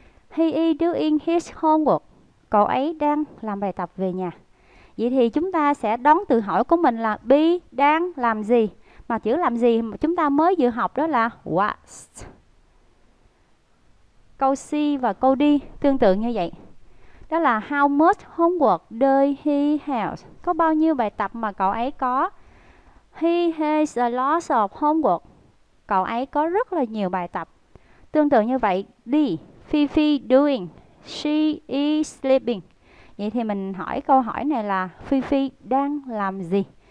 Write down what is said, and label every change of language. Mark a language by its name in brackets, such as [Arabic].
[English] He is doing his homework. [Vietnamese] Cậu ấy đang làm bài tập về nhà. Vậy thì chúng ta sẽ đón từ hỏi của mình là B đang làm gì? Mà chữ làm gì mà chúng ta mới vừa học đó là what. Câu C và câu D tương tự như vậy. [English] Đó là how much homework does he have? [Vietnamese] Có bao nhiêu bài tập mà cậu ấy có? [English] He has a lot of homework. [Vietnamese] Cậu ấy có rất là nhiều bài tập. Tương tự như vậy, D. [English] Fifi doing. She is sleeping. [Vietnamese] Vậy thì mình hỏi câu hỏi này là Fifi đang làm gì?